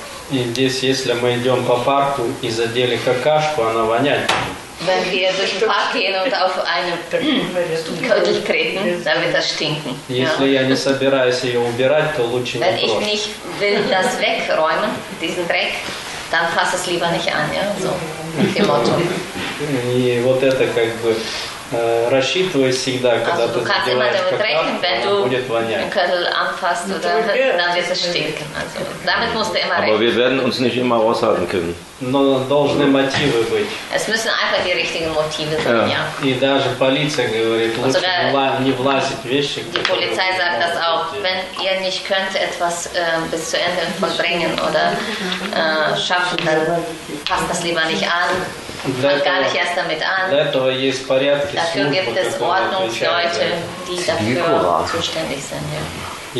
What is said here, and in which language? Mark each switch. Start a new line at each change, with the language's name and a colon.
Russian: И здесь, если мы идем по парку и задели какашку, она воняет.
German: Wenn wir durch den Park gehen und auf eine Kugel treten, dann wird das stinken.
Russian: Если я не собираюсь ее убирать, то лучше не трогать.
German: Wenn ich nicht will das wegräumen, diesen Dreck, dann fass es lieber nicht an, ja, so. Mit dem Motto.
Russian: И вот это как бы рассчитывай всегда, когда ты задеваешь какашку,
German: wenn du einen Kugel anfasst, oder, dann wird es stinken. Also, damit musst du immer rechnen. Aber wir werden uns nicht immer aushalten können.
Russian: Но должны мотивы быть.
German: Es müssen einfach die richtigen Motive sein, ja.
Russian: И даже полиция говорит, лучше не влазить в вещи.
German: Die Polizei sagt das auch, wenn ihr nicht könnt etwas bis zu Ende vollbringen oder schaffen, dann passt das lieber nicht an. Fang gar nicht erst damit an.
Russian: Для этого есть порядки, службы,
German: dafür gibt es Ordnungsleute, die dafür zuständig sind, ja.